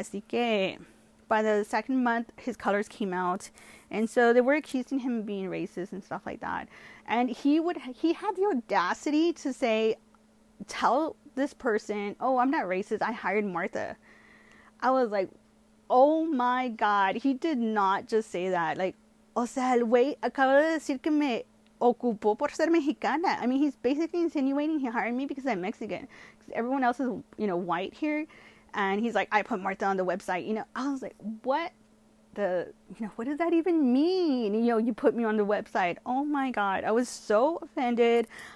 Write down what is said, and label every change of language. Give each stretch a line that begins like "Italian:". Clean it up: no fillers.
Spanish: Así que
English: by the second month, his colors came out, and so they were accusing him of being racist and stuff like that. And he had the audacity to say, tell this person, oh, I'm not racist, I hired Martha. I was like, oh my God, he did not just say that.
Spanish: Like, o sea, el güey acaba de decir que me ocupó por ser mexicana.
English: I mean, he's basically insinuating he hired me because I'm Mexican. Because everyone else is, white here. And he's like, I put Martha on the website. I was like, what the, what does that even mean? You put me on the website. Oh my God. I was so offended.